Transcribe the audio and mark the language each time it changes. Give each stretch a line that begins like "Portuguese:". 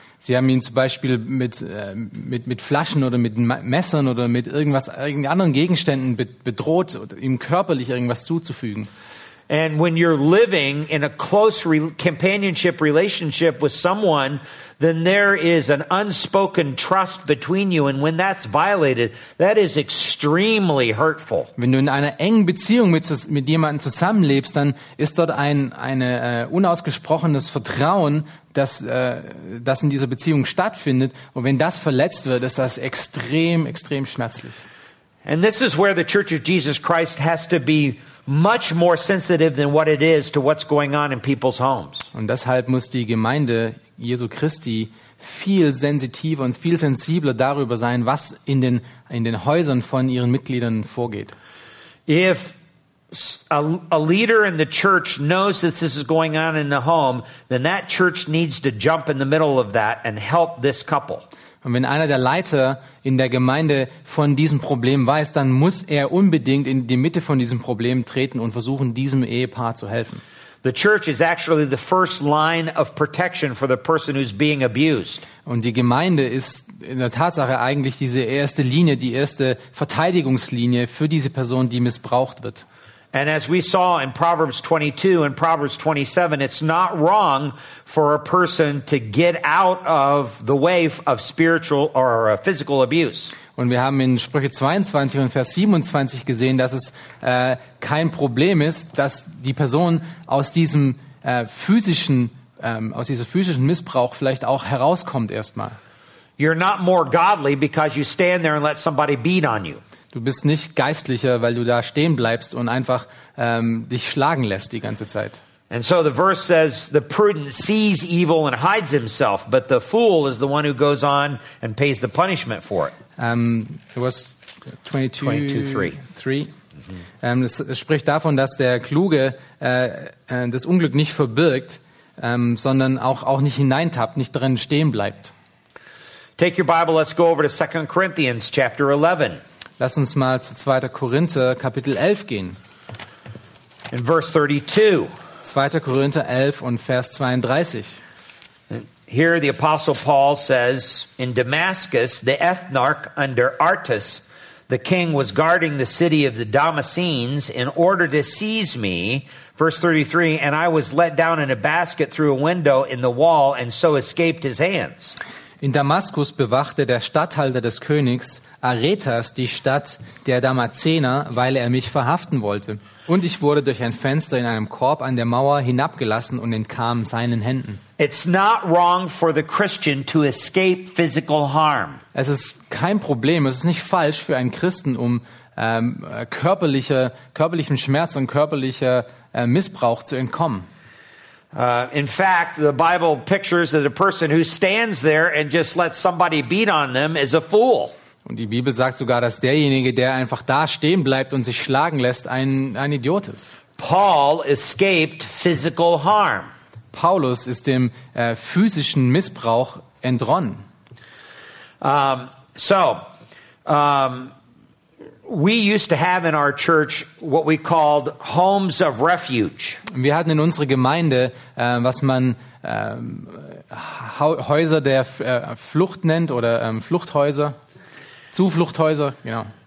German: Sie haben ihn zum Beispiel mit Flaschen oder mit Messern oder mit irgendwelchen anderen Gegenständen bedroht, ihm körperlich irgendwas zuzufügen.
English: And when you're living in a close companionship relationship with someone, then there is an unspoken trust between you, and when that's violated, that is extremely hurtful.
German: Wenn du in einer engen Beziehung mit jemandem zusammenlebst, dann ist dort ein unausgesprochenes Vertrauen, das in dieser Beziehung stattfindet, und wenn das verletzt wird, ist das extrem, extrem schmerzlich.
English: And this is where the Church of Jesus Christ has to be much more sensitive than what it is to what's going on in people's homes.
German: Und deshalb muss die Gemeinde Jesu Christi viel sensitiver und viel sensibler darüber sein, was in den Häusern von ihren Mitgliedern vorgeht.
English: If a leader in the church knows that this is going on in the home, then that church needs to jump in the middle of that and help this couple.
German: Und wenn einer der Leiter in der Gemeinde von diesem Problem weiß, dann muss er unbedingt in die Mitte von diesem Problem treten und versuchen, diesem Ehepaar zu helfen.
English: The church is actually the first line of protection for the person who's being abused.
German: Und die Gemeinde ist in der Tatsache eigentlich diese erste Linie, die erste Verteidigungslinie für diese Person, die missbraucht wird.
English: And as we saw in Proverbs 22 and Proverbs 27, it's not wrong for a person to get out of the way of spiritual or physical abuse.
German: Und wir haben in Sprüche 22 und Vers 27 gesehen, dass es kein Problem ist, dass die Person aus diesem physischen Missbrauch vielleicht auch herauskommt erstmal.
English: You're not more godly because you stand there and let somebody beat on you.
German: Du bist nicht geistlicher, weil du da stehen bleibst und einfach dich schlagen lässt die ganze Zeit.
English: And so the verse says, the prudent sees evil and hides himself, but the fool is the one who goes on and pays the punishment for it. It was 22:3.
German: Es spricht davon, dass der Kluge das Unglück nicht verbirgt, sondern auch nicht hineintappt, nicht drin stehen bleibt.
English: Take your Bible, let's go over to 2 Corinthians chapter 11.
German: Lass uns mal zu 2. Korinther Kapitel 11 gehen.
English: In verse 32.
German: 2. Korinther 11 und Vers 32.
English: Here the apostle Paul says, in Damascus the ethnarch under Artus the king was guarding the city of the Damascenes in order to seize me, verse 33, and I was let down in a basket through a window in the wall and so escaped his hands.
German: In Damaskus bewachte der Statthalter des Königs Aretas die Stadt der Damazener, weil er mich verhaften wollte. Und ich wurde durch ein Fenster in einem Korb an der Mauer hinabgelassen und entkam seinen Händen.
English: It's not wrong for the Christian to escape physical harm.
German: Es ist kein Problem, es ist nicht falsch für einen Christen, um körperlichem Schmerz und körperlicher Missbrauch zu entkommen.
English: In fact, the Bible pictures that a person who stands there and just lets somebody beat on them is a fool.
German: Und die Bibel sagt sogar, dass derjenige, der einfach da stehen bleibt und sich schlagen lässt, ein Idiot ist.
English: Paul escaped physical harm.
German: Paulus ist dem physischen Missbrauch entronnen.
English: We used to have in our church what we called homes of refuge.
German: Wir hatten in unserer Gemeinde was man Häuser der Flucht nennt oder Fluchthäuser, Zuflucht-Häuser, genau.